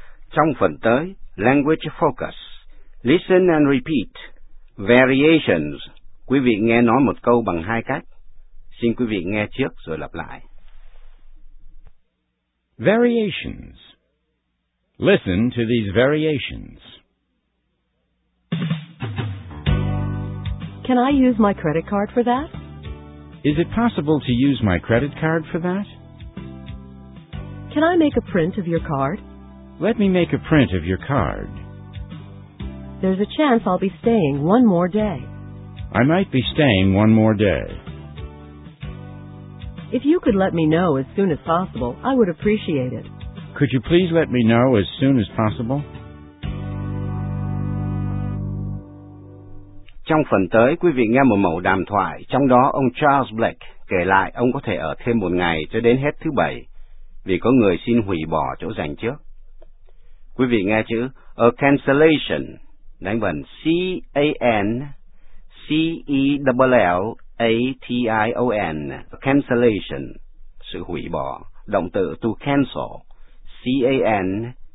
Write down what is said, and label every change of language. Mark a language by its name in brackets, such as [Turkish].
[Vietnamese] Trong phần tới, [English] language focus. Listen and repeat. [Vietnamese] Variations. Quý vị nghe nói một câu bằng hai cách. Xin quý vị nghe trước rồi lặp lại. [English] Variations. Listen to these variations. Can I use my credit card for that? Is it possible to use my credit card for that? Can I make a print of your card? Let me make a print of your card. There's a chance I'll be staying one more day. I might be staying one more day. If you could let me know as soon as possible, I would appreciate it. Could you please let me know as soon as possible? [Vietnamese] Trong phần tới, quý vị nghe một mẫu đàm thoại, trong đó ông Charles Blake kể lại ông có thể ở thêm một ngày cho đến hết thứ bảy, vì có người xin hủy bỏ chỗ dành trước. Quý vị nghe chữ a cancellation, đánh vần C-A-N-C-E-L-L-A-T-I-O-N, a cancellation, sự hủy bỏ, động từ to cancel, C-A-N-C-E-L.